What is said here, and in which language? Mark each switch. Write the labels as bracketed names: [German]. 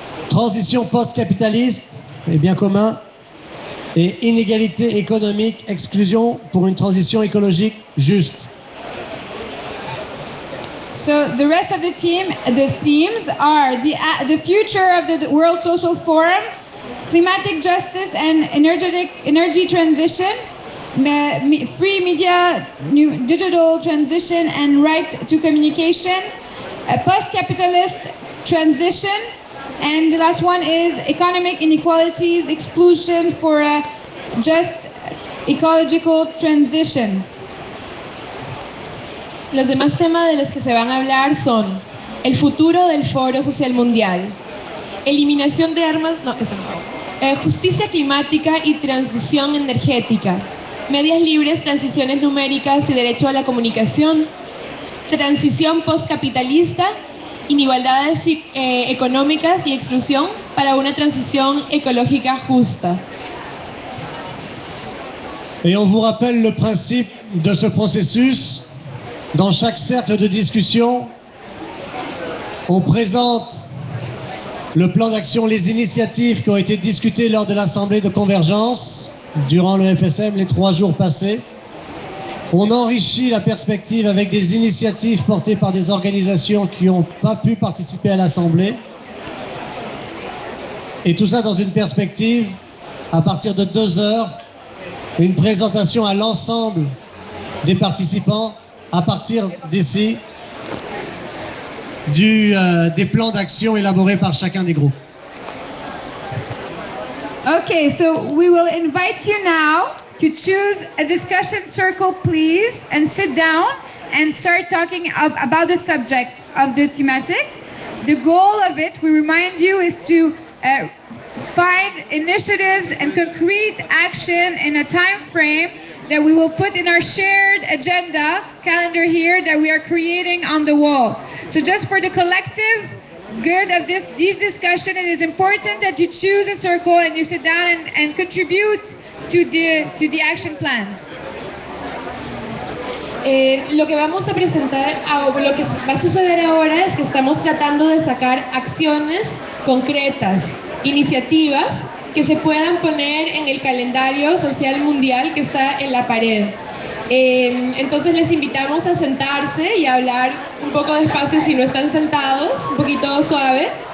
[French] Transition post-capitaliste et bien commun et inégalité économique, exclusion pour une transition écologique juste. [English] So the rest of the themes are the future of the World Social Forum, climatic justice and energy transition, free media, new digital transition and right to communication, a post-capitalist transition. And the last one is economic inequalities, exclusion for a just ecological transition. [Spanish] Los demás temas de los que se van a hablar son el futuro del Foro Social Mundial, eliminación de armas, no, eso no, justicia climática y transición energética, medias libres, transiciones numéricas y derecho a la comunicación, transición postcapitalista, inigualdades económicas y exclusión para una transición ecológica justa. [French] Et on vous rappelle le principe de ce processus. Dans chaque cercle de discussion, on présente le plan d'action, les initiatives qui ont été discutées lors de l'Assemblée de convergence durant le FSM les 3 jours passés. On enrichit la perspective avec des initiatives portées par des organisations qui n'ont pas pu participer à l'Assemblée. Et tout ça dans une perspective, à partir de 2 heures, une présentation à l'ensemble des participants à partir d'ici des plans d'action élaborés par chacun des groupes. [English] OK, so we will invite you now to choose a discussion circle, please, and sit down and start talking about the subject of the thematic. The goal of it, we remind you, is to find initiatives and concrete action in a time frame that we will put in our shared agenda calendar here that we are creating on the wall. So just for the collective good of this discussion, it is important that you choose a circle and you sit down and contribute to the action plans. [Spanish] Lo que vamos a presentar, lo que va a suceder ahora es que estamos tratando de sacar acciones concretas, iniciativas que se puedan poner en el calendario social mundial que está en la pared. Entonces les invitamos a sentarse y a hablar un poco despacio si no están sentados, un poquito suave.